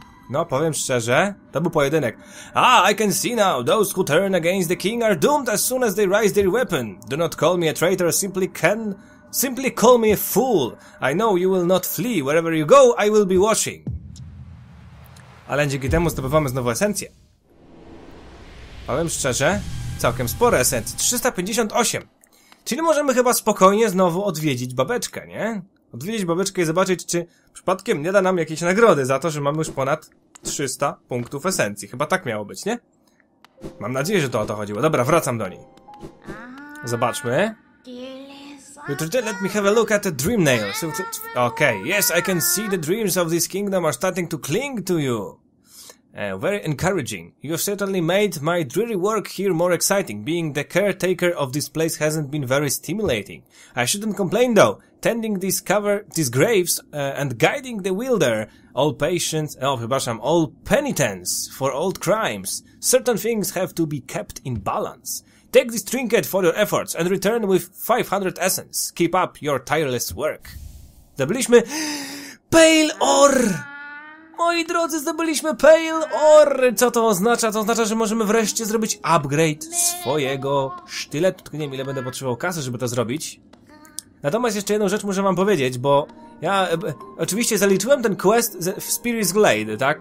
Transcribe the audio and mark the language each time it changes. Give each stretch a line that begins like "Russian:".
Polish: No, powiem szczerze, to był pojedynek.
English: Ah, I can see now, those who turn against the king are doomed as soon as they raise their weapon. Do not call me a traitor, simply call me a fool. I know you will not flee, wherever you go, I will be watching.
Polish: Ale dzięki temu zdobywamy znowu esencję. Powiem szczerze, całkiem spore esencje, 358. Czyli możemy chyba spokojnie znowu odwiedzić babeczkę, nie? Odwiedzić babeczkę i zobaczyć, czy przypadkiem nie da nam jakiejś nagrody za to, że mamy już ponad 300 punktów esencji. Chyba tak miało być, nie? Mam nadzieję, że to o to chodziło. Dobra, wracam do niej. Zobaczmy.
English: Jutro, let me have a look at the dream nails. Okay, yes, I can see the dreams of this kingdom are starting to cling to you. Very encouraging. You've certainly made my dreary work here more exciting. Being the caretaker of this place hasn't been very stimulating. I shouldn't complain though. Tending these graves and guiding the wielder, all patients, all penitents for old crimes. Certain things have to be kept in balance. Take this trinket for your efforts and return with 500 essence. Keep up your tireless work.
Polish: Zdobyliśmy Pale Ore! Moi drodzy, zdobyliśmy Pale Ore! Co to oznacza? To oznacza, że możemy wreszcie zrobić upgrade swojego sztyletu. Nie wiem, ile będę potrzebował kasy, żeby to zrobić. Natomiast jeszcze jedną rzecz muszę wam powiedzieć, bo ja oczywiście zaliczyłem ten quest w Spirit's Glade, tak?